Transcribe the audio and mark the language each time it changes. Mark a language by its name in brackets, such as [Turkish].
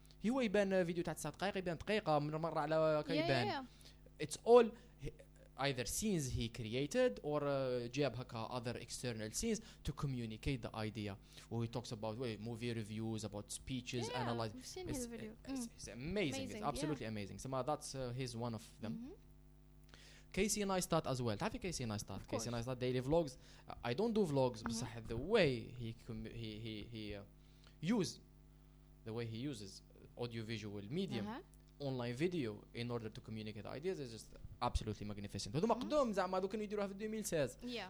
[Arabic] هو يبان فيديو تاع 9 دقائق يبان دقيقة من مرة على كيبان. [English] It's all either scenes he created or [Arabic] جاب هكا [English] other external scenes to communicate the idea. Where he talks about movie reviews, about speeches, analyze. We've seen his video. It's amazing. It's absolutely amazing. So that's his one of them. Casey Neistat as well. Have you Casey Neistat? Casey Neistat daily vlogs. I don't do vlogs, but the way he uses audiovisual medium, online video in order to communicate ideas is just absolutely magnificent. [Arabic] هذا مقدوم زعما دوك اللي يديروها في 2016.